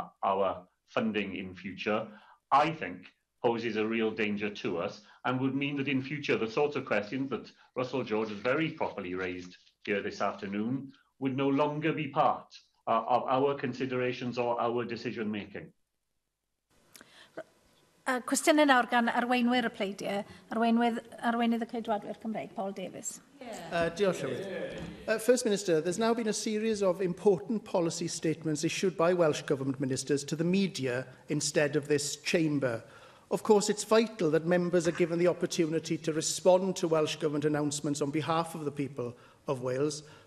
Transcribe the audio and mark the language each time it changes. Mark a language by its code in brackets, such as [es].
[en] our funding in future, I think poses a real danger to us and would mean that in future, the sorts of questions that Russell George has very properly raised here this afternoon would no longer be part of our considerations or our decision making. [cy] Cwestiwn yn awr gan arweinwyr y pleidiau, arweinydd y Ceidwadwyr Cymreig, Paul Davies. [en] Yeah. [cy] Diolch, Llywydd. [en] First Minister, there's now been a series of important policy statements issued by Welsh Government ministers to the media instead of this chamber. Of course, it's vital that members are given the opportunity to respond to Welsh Government announcements on behalf of the people of Wales.